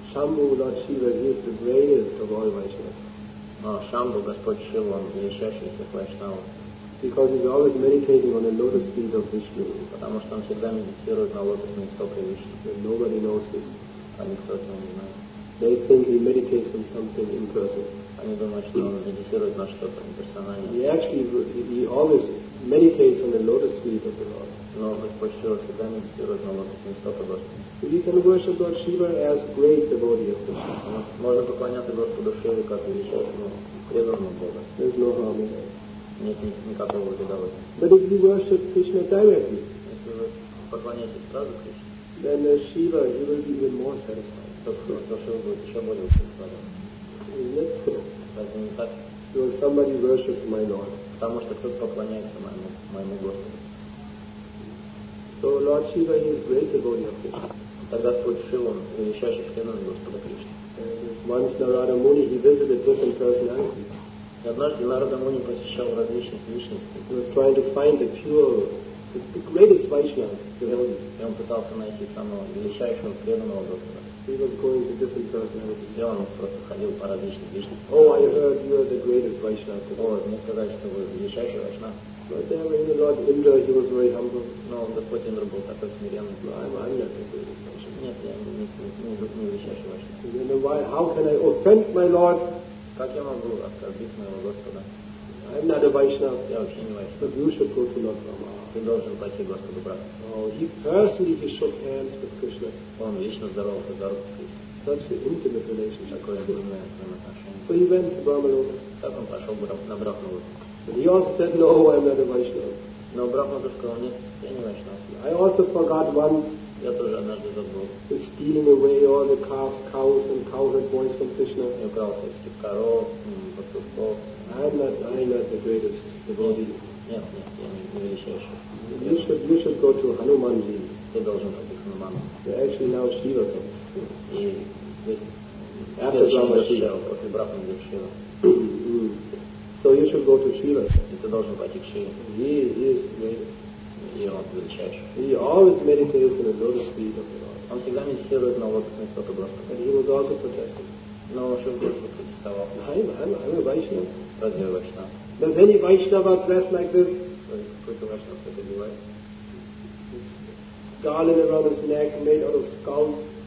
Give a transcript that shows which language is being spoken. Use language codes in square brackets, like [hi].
[en] Shambhu, Lord Shiva, he is the greatest of all Vaishnavas. [ru] Shambhu, Господь Шива, он величайший из всех Вайшнавов. [en] Because he's always meditating on the lotus feet of Vishnu. [ru] Потому что он всегда медитирует на лотосные стопы Вишну. [en] Nobody knows this. [ru] А никто этого не знает. [en] They think he meditates on something impersonal. [ru] Они думают, что он медитирует на что-то имперсональное. [en] He always meditates on the lotus feet of the Lord. [ru] Но Господь Шива всегда медитирует на лотосные стопы Господа. [en] So you can worship Lord Shiva as great devotee of Krishna. [ru] Можно поклоняться Господу Шиве как величайшему преданному Богу. [en] There's no harm in that. [ru] Нет никакого вреда в этом. [en] But if you worship Krishna directly, [ru] если вы поклоняетесь сразу Кришне, [en] then Shiva, you will be even more satisfied. [ru] То Шива будет еще более удовлетворен. Нет. Это не так. [en] Because somebody worships my Lord. [ru] Потому что кто-то поклоняется моему Господу. [en] So Lord Shiva he is great devotee of Krishna. [ru] Тогда Господь Шива, он величайший преданный Господа Кришны. [en] Once Narada Muni he visited different personalities. [ru] И однажды Нарада Муни посещал различных личностей. [en] He was trying to find the pure, the greatest Vaishnava. [ru] И он пытался найти самого величайшего преданного Господа. [en] He was going to different personalities. [ru] И он просто ходил по различным личностям. [en] Oh, I heard you are the greatest Vaishnava. [ru] О, мне сказали, что вы величайший Вайшнав. [en] But then when the Lord Indra, he was very humble. [ru] No, Господь Индра был такой смиренный. [en] No, I'm not the greatest Vaishnava. [ru] Нет, я не величайший Вайшнава. [en] You know why? How can I offend my Lord? [ru] Как я могу оскорбить моего Господа? [en] I'm not a Vaishnava. [ru] Я вообще не Вайшнава. [en] But you should go to Lord Rama. [ru] Ты должен пойти к Господу брату. [en] Oh, he personally he shook hands with Krishna. [ru] Он лично здоровался за руку с Кришной. [en] Such an intimate relationship. [ru] Такое интимное отношение. [en] So he went to Brahmaloka. [ru] Так он пошел на Брахмалоку. [en] He also said, no, I'm not a Vaishnava. No, Brahma just said, no, I'm not a Vaishnava. I also forgot once [ru] Я тоже однажды забыл. [en] He's stealing away all the calves, cows and cowherd boys from Krishna. [ru] Я украл всех коров, пастухов. [en] I'm not the greatest [ru] devotee. Нет, я не величайший. [en] You should go to Hanumanji. [ru] Ты должен пойти к Хануману. [en] You're actually now Shiva. [ru] И ты после брака идет Шива. [en] So you should go to Shiva. [ru] И ты должен пойти к Шиве. [en] He is the greatest. [ru] И он величайший. [en] He always meditates in the lotus feet of the Lord. [ru] Он всегда медитирует на лотосные стопы Господа. [en] And he was also protesting. [ru] Но Шива тоже протестовал. [en] I'm a Vaishnava. [ru] Разве я Вайшнава? [en] Does any Vaishnava dress like this? [ru] Какой-то Вайшнава так одевает. [en] Garland around his neck, made out of skulls.